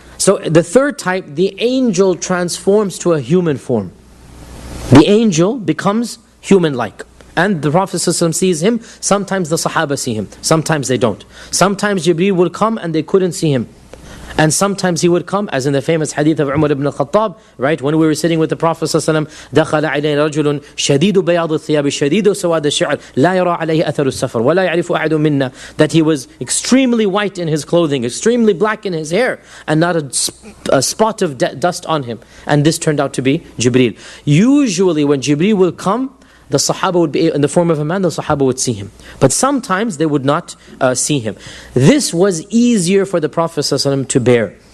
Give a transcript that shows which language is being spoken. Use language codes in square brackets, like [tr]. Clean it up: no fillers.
[en] So the third type, the angel transforms to a human form. The angel becomes human-like. And the Prophet ﷺ sees him. Sometimes the Sahaba see him. Sometimes they don't. Sometimes Jibreel would come and they couldn't see him. And sometimes he would come, as in the famous hadith of Umar ibn al-Khattab, right? When we were sitting with the Prophet ﷺ, [ar] دَخَلَ عَلَيْهِ رَجُلٌ شَدِيدُ بَيَاضُ الثِّيَابِ شَدِيدُ سَوَادَ الشِّعْرِ لَا يَرَى عَلَيْهِ أَثَرُ السَّفَرِ وَلَا يَعْرِفُ أَحَدٌ مِنَّا. [en] That he was extremely white in his clothing, extremely black in his hair, and not a spot of dust on him. And this turned out to be Jibreel. Usually when Jibreel will come, the Sahaba would be in the form of a man, the Sahaba would see him. But sometimes they would not see him. This was easier for the Prophet ﷺ to bear.